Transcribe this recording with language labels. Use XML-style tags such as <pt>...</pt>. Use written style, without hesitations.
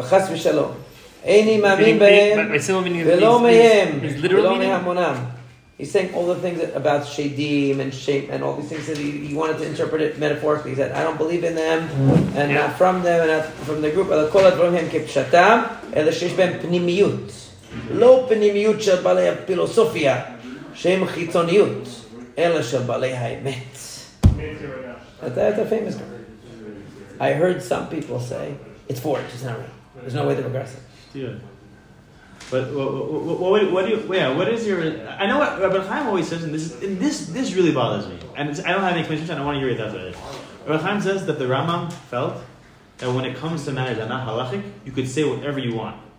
<he>B'chas v'shalom, eini ma'amin b'hem, v'lo mehem, v'lo mehamonam.</he> <en>He's saying all the things about shedim and shame and all these things that he wanted to interpret it metaphorically. He said, "I don't believe in them, and not from them, and not from the group."</en> <he>Lakol Advarim Hem Kipshatam, Ela Sheish Ben Pnimiyut. לא פנימיות של בעלי הפילוסופיה שהם חיצוניות אלא של בעלי האמת.</he> <en>That's a famous guy. I heard some people say it's forged, it's not real. There's no way to progress it. But what is your? I know what Rabbi Chaim always says, and this really bothers me. And I don't have any questions. I don't want to hear it that way. Rabbi Chaim says that the Rambam felt that when it comes to matters that are not halachic, you could say whatever you want.</en>